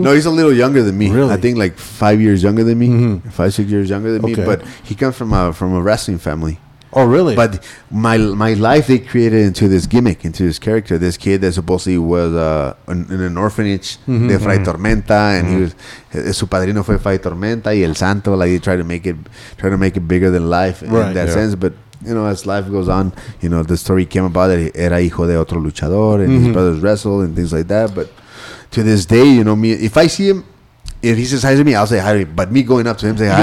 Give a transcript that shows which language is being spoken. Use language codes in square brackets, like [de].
[en] No, he's a little younger than me. Really? I think like 5 years younger than me. Mm-hmm. 5-6 years younger than me. But he comes from a wrestling family. Oh, really? But my life, they created into this gimmick, into this character. This kid that supposedly was in an orphanage, mm-hmm. de Fray Tormenta, and mm-hmm. he was, [es] su padrino fue Fray Tormenta y El Santo. [en] Like, he tried to make it, bigger than life in that sense. But you know, as life goes on, you know, the story came about that [es] era hijo de otro luchador, [en] and mm-hmm. his brothers wrestled and things like that. But to this day, you know, me, if I see him, If he says hi to me, I'll say hi to him. But me going up to him saying hi,